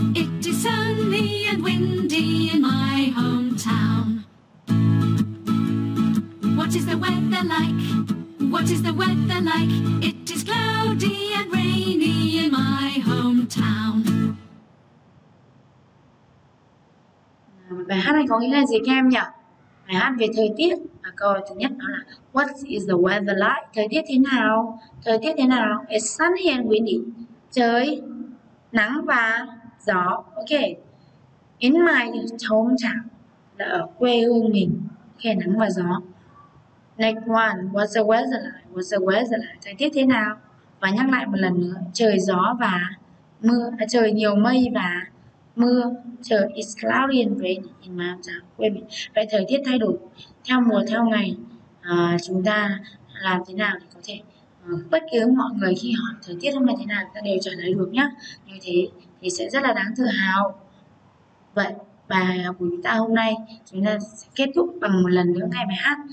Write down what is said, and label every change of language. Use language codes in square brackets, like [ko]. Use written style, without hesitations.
[en] It is sunny and windy in my hometown. What is the weather like? What is the weather like? It is cloudy and rainy in my hometown. [vi] Bài hát này có nghĩa là gì các em nhỉ? Bài hát về thời tiết. Và câu thứ nhất đó là [en] What is the weather like? [vi] Thời tiết thế nào? Thời tiết thế nào? [en] It's sunny and windy. [vi] Trời nắng và gió. Ok. [en] In my hometown. [vi] Là ở quê hương mình. Ok, nắng và gió. [en] Next one, what's the weather like? What's the weather like? [vi] Thời tiết thế nào? Và nhắc lại một lần nữa, trời gió và mưa, trời nhiều mây và mưa. [en] Trời is cloudy and rainy in my hometown. [vi] Quên mình. Vậy thời tiết thay đổi theo mùa theo ngày, chúng ta làm thế nào để có thể bất cứ mọi người khi hỏi thời tiết hôm nay thế nào, ta đều trả lời được nhá. Như thế thì sẽ rất là đáng tự hào. Vậy bài học của chúng ta hôm nay chúng ta sẽ kết thúc bằng một lần nữa nghe bài hát.